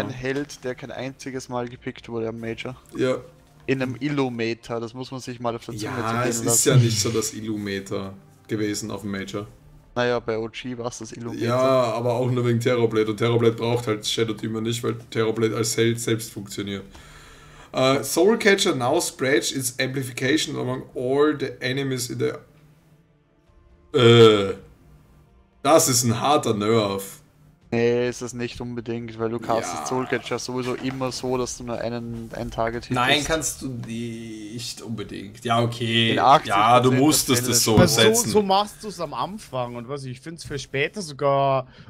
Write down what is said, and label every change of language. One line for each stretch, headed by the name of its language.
German: Ein Held, der kein einziges Mal gepickt wurde am Major. Ja. In einem Illometer, das muss man sich mal auf der Zunge zergehen lassen. Ja, es ist ja nicht so das Illometer gewesen auf dem Major. Naja, bei OG war es das Illometer. Ja, aber auch nur wegen Terrorblade. Und Terrorblade braucht halt Shadow Demon nicht, weil Terrorblade als Held selbst funktioniert.
English: Soulcatcher now spreads its amplification among all the enemies in the...
German: Das ist ein harter Nerf. Nee, ist es nicht unbedingt, weil du castest Soulcatcher sowieso immer so, dass du nur ein Target hittest. Nein, kannst du nicht unbedingt. Ja, okay. Ja, du musstest es so setzen. So machst du es am Anfang und was ich finde es für später sogar...